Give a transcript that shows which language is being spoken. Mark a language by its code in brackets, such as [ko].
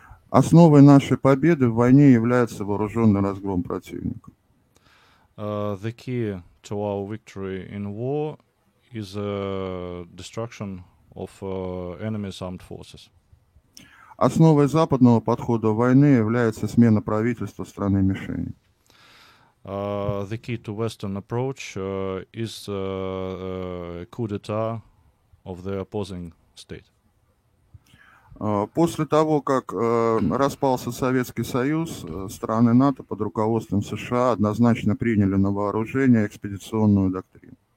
[ru] Основой нашей победы в войне является вооруженный разгром противника. [en] The key to our victory in war is destruction of enemy's armed forces. [ru] Основой западного подхода войны является смена правительства страны-мишени. [en] The key to Western approach is coup d'etat of the opposing state. [ru] После того, как распался Советский Союз, страны НАТО под руководством США однозначно приняли на вооружение экспедиционную доктрину.